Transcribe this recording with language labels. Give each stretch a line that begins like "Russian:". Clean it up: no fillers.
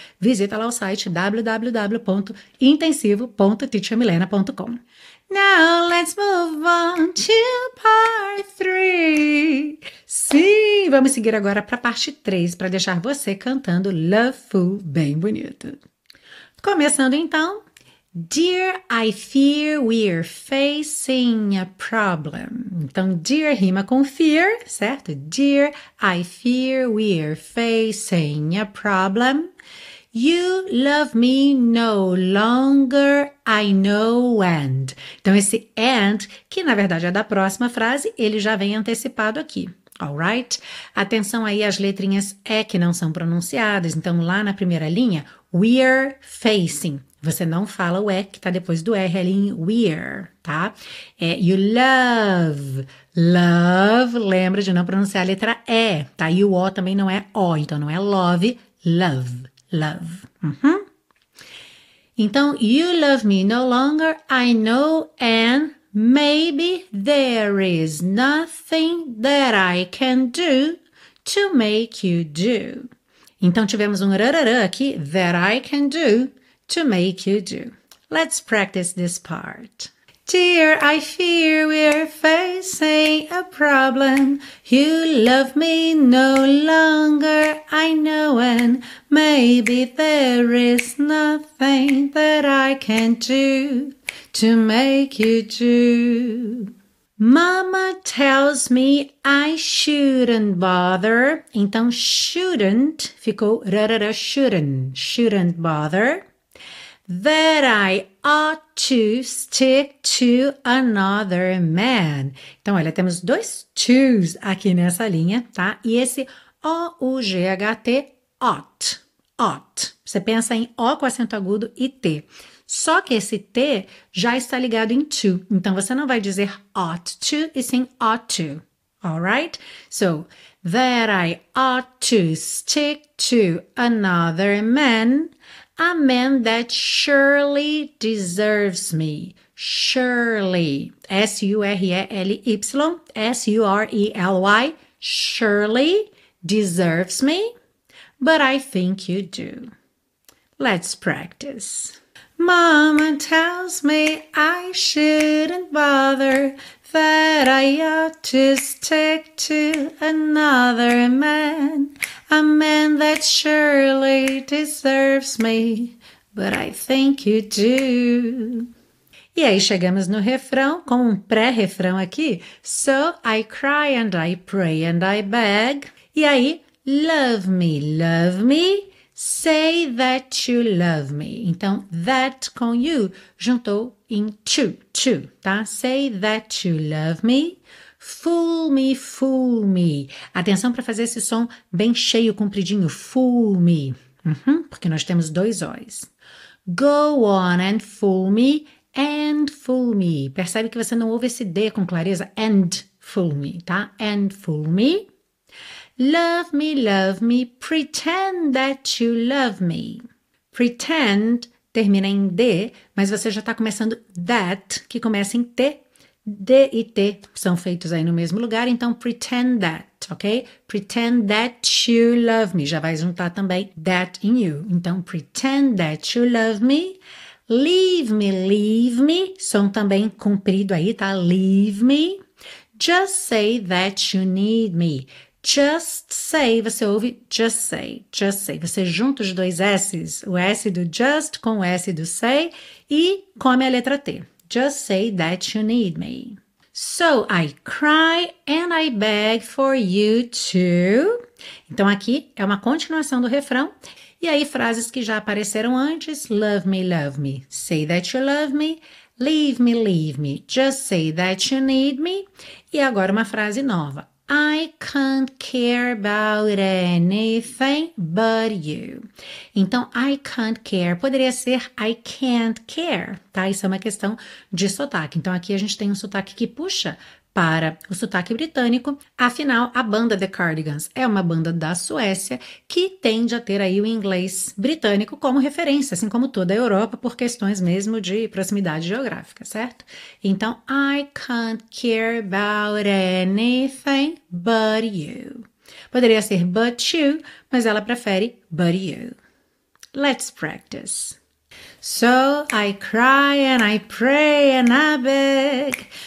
Portuguese: Visita lá o site www.intensivo.teachermilena.com.
English: Now let's move on to part 3.
Portuguese: Sim, vamos seguir agora para a parte 3 para deixar você cantando Love Fool bem bonito. Começando então.
English: Dear, I fear we're facing a problem.
Portuguese: Então, dear rima com fear, certo?
English: Dear, I fear we're facing a problem. You love me no longer, I know and.
Portuguese: Então, esse and, que na verdade é da próxima frase, ele já vem antecipado aqui.
English: Alright?
Portuguese: Atenção aí às letrinhas E que não são pronunciadas. Então, lá na primeira linha,
English: we're facing.
Portuguese: Você não fala o E que está depois do R ali em we're, tá? É
English: you love.
Portuguese: Love, lembra de não pronunciar a letra E, tá? E o O também não é O, então não é love, love. Love. Uhum.
English: Então, you love me no longer, I know, and maybe there is nothing that I can do to make you do.
Portuguese: Então, tivemos um rararã aqui,
English: that I can do to make you do. Let's practice this part. Dear, I fear we're facing a problem. You love me no longer, I know, and maybe there is nothing that I can do to make you do. Mama tells me I shouldn't bother.
Portuguese: Então, shouldn't ficou rarara,
English: shouldn't bother. That I ought to stick to another man.
Portuguese: Então, olha, temos dois to's aqui nessa linha, tá? E esse O-U-G-H-T, ought, ought. Você pensa em O com acento agudo e T. Só que esse T já está ligado em to. Então, você não vai dizer
English: ought to,
Portuguese: e sim ought to.
English: Alright? So, that I ought to stick to another man. A man that surely deserves me. Surely, Surely, Surely deserves me, but I think you do. Let's practice. Mama tells me I shouldn't bother, that I ought to stick to another man, a man that surely deserves me, but I think you do.
Portuguese: E aí chegamos no refrão com um pré-refrão aqui.
English: So I cry and I pray and I beg.
Portuguese: E aí,
English: love me, say that you love me.
Portuguese: Então, that com you juntou em to, tá?
English: Say that you love me. Fool me, fool me.
Portuguese: Atenção para fazer esse som bem cheio, compridinho.
English: Fool me.
Portuguese: Porque nós temos dois O's.
English: Go on and fool me. And fool me.
Portuguese: Percebe que você não ouve esse D com clareza.
English: And fool me, tá? And fool me. Love me, pretend that you love me.
Portuguese: Pretend termina em D, mas você já está começando that, que começa em T. D e T são feitos aí no mesmo lugar, então
English: pretend that,
Portuguese: ok?
English: Pretend that you love me.
Portuguese: Já vai juntar também
English: that in you. Então, pretend that you love me. Leave me, leave me.
Portuguese: Som também comprido aí, tá?
English: Leave me. Just say that you need me. Just say,
Portuguese: você ouve
English: just say, just say.
Portuguese: Você junta os dois S's, o S do just com o S do say e come a letra T.
English: Just say that you need me. So I cry and I beg for you too.
Portuguese: Então aqui é uma continuação do refrão. E aí frases que já apareceram antes.
English: Love me, say that you love me. Leave me, just say that you need me.
Portuguese: E agora uma frase nova.
English: I can't care about anything but you. Então, I can't care.
Portuguese: Poderia ser
English: I can't care, tá?
Portuguese: Isso é uma questão de sotaque. Então, aqui a gente tem um sotaque que puxa para o sotaque britânico. Afinal, a banda The Cardigans é uma banda da Suécia que tende a ter aí o inglês britânico como referência, assim como toda a Europa, por questões mesmo de proximidade geográfica, certo?
English: Então, I can't care about anything but you.
Portuguese: Poderia ser
English: but you,
Portuguese: mas ela prefere but you.
English: Let's practice. So I cry and I pray and I beg.